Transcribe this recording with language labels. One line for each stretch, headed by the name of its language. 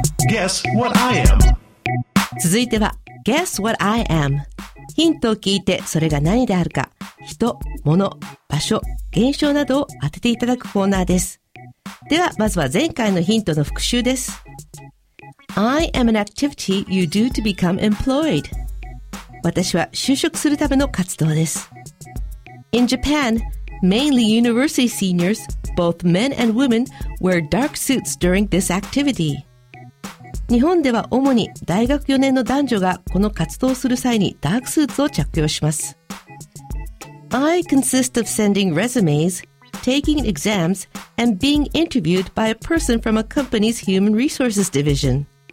English: Guess what I am.
Japanese: 続いては、 Guess what I am。ヒントを聞いてそれが何であるか、人、物、場所、現象などを当てていただくコーナーです。ではまずは前回のヒントの復習です。
English: I am an activity you do to become employed.
Japanese: 私は就職するための活動です。
English: In Japan, mainly university seniors, both men and women, wear dark suits during this activity.
Japanese: 日本では主に大学4年の男女がこの活動をする際にダークスーツを着用します。
English: I consist of sending resumes, taking exams, and being interviewed by a person from a company's human resources division.